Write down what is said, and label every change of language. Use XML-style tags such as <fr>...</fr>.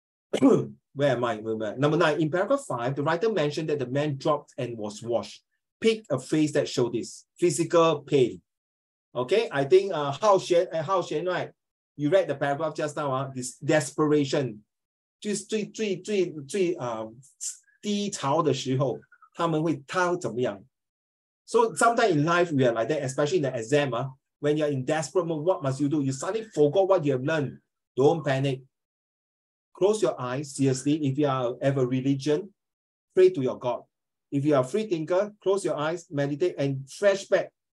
<en>Where am I? Number 9, in paragraph 5, the writer mentioned that the man dropped and was washed. Pick a phrase that shows this physical pain. Okay, I think Hao Xian, right? You read the paragraph just now, this desperation.</en> <zh>最低潮的时候,他们会,他怎么样?</zh> <en>So sometimes in life, we are like that, especially in the exam. When you're in desperate mode, what must you do? You suddenly forgot what you have learned. Don't panic. close your eyes, seriously. If you have a religion, pray to your God. If you are a free thinker, close your eyes, meditate, and flashback.</en>